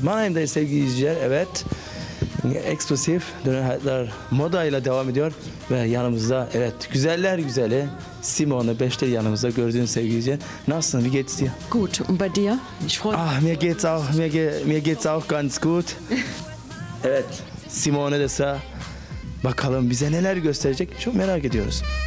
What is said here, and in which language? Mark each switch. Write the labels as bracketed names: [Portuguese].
[Turkish] Mannheim'de sevgili izleyiciler, evet. Eksklusif Döner Hayatlar modayla devam ediyor ve yanımızda, evet, güzeller güzeli Simone Beşler yanımızda, gördüğünüz sevgili izleyen. Nasılsın, [German] wie geht's dir? Gut, und bei dir? Ich freue mich. Ah, mir geht's auch ganz gut. [Turkish] Evet, Simone de sağ. Bakalım bize neler gösterecek, çok merak ediyoruz.